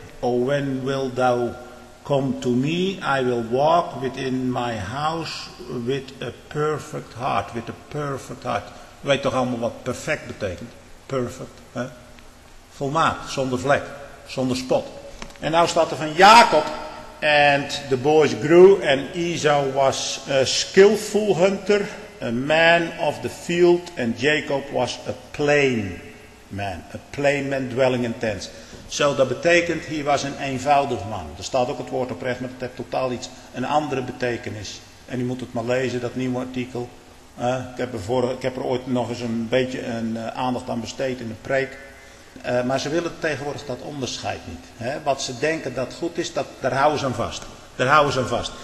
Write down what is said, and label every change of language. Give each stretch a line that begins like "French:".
English: Oh, when wilt thou come to me, I will walk within my house with a perfect heart. With a perfect heart.
Dutch: Je weet toch allemaal wat perfect betekent? Perfect. Hè? Volmaakt, zonder vlek, zonder spot. En nou staat er van Jacob.
English: And the boys grew and Esau was a skillful hunter, a man of the field. And Jacob was a plain man. A plain man dwelling in tents.
Dutch: Zo, dat betekent, hier was een eenvoudig man. Er staat ook het woord oprecht, maar het heeft totaal iets, een andere betekenis. En u moet het maar lezen, dat nieuwe artikel. Ik heb er ooit nog eens een beetje een aandacht aan besteed in de preek. Maar ze willen tegenwoordig dat onderscheid niet. Wat ze denken dat goed is, daar houden ze aan vast. Daar houden ze aan vast.